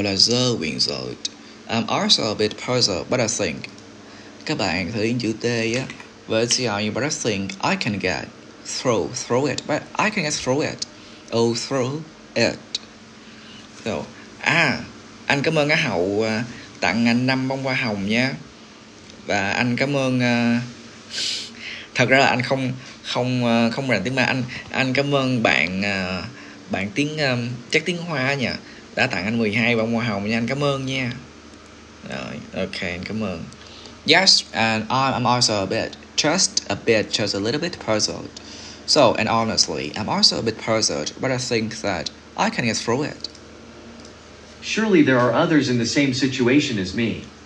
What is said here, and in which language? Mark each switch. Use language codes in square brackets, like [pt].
[en] I'm also a bit puzzled, but I think. [vi] Các bạn thử in chữ T á. Với chữ I, [en] but I think I can get through it. But I can get through it. Oh, through it. [vi] So, anh cảm ơn á Hậu tặng anh 5 bông hoa hồng nha. Và anh cảm ơn thật ra là anh không rành tiếng Ma. Anh cảm ơn bạn tiếng chắc tiếng Hoa nha. Đã tặng anh 12 bông hoa hồng nha. Anh cảm ơn nha. Rồi, ok, anh cảm ơn. [en] Yes, and I'm also a bit, just a little bit puzzled. So, and honestly, I'm also a bit puzzled, but I think that I can get through it. Surely there are others in the same situation as me.